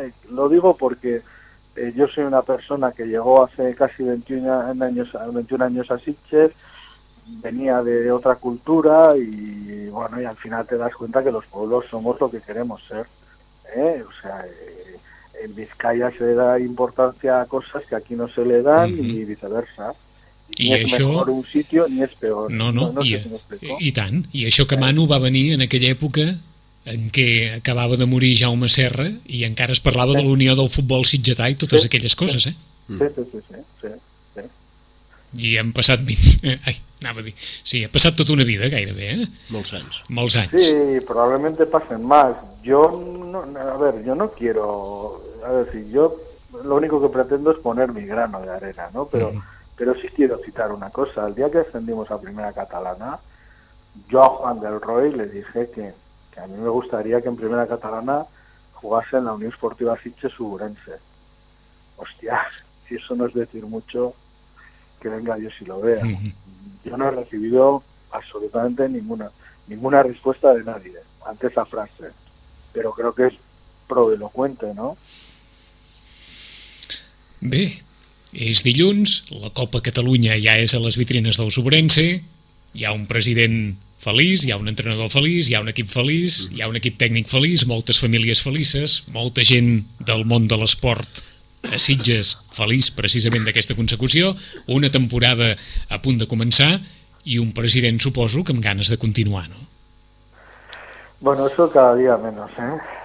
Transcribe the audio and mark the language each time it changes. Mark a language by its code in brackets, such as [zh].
[es] Lo digo porque yo soy una persona que llegó hace casi 21 años a Sitges, venía de otra cultura y bueno, y al final te das cuenta que los pueblos somos lo que queremos ser, ¿eh? O sea, en Vizcaya se le da importancia a cosas que aquí no se le dan y viceversa. Ni I [ca] és això... [es] mejor un sitio ni es peor. [ca] No, i tant. I això que Manu va venir en aquella època en què acabava de morir Jaume Serra i encara es parlava de l'unió del futbol sitgetà i totes aquelles coses, Sí. I hem passat 20... Ai, anava a dir... Sí, ha passat tota una vida, gairebé, eh? Molts anys. Sí, probablement passen més. Jo no... A veure, jo no quiero... A veure, si jo... [es] Lo único que pretendo es poner mi grano de arena, ¿no? Pero, pero sí quiero citar una cosa. El día que ascendimos a Primera Catalana, yo a Juan del Roy le dije que a mí me gustaría que en Primera Catalana jugase en la Unión Esportiva Sitges Ourense. Hostia, si eso no es decir mucho, que venga Dios y lo vea. Yo no he recibido absolutamente ninguna respuesta de nadie ante esa frase, pero creo que es proelocuente, ¿no? [ca] Bé, és dilluns, la Copa Catalunya ja és a les vitrines del Sobrense, hi ha un president feliç, hi ha un entrenador feliç, hi ha un equip feliç, hi ha un equip tècnic feliç, moltes famílies felices, molta gent del món de l'esport a Sitges feliç precisament d'aquesta consecució, una temporada a punt de començar i un president, suposo, que amb ganes de continuar, no? [es] Bueno, eso cada día menos, ¿eh?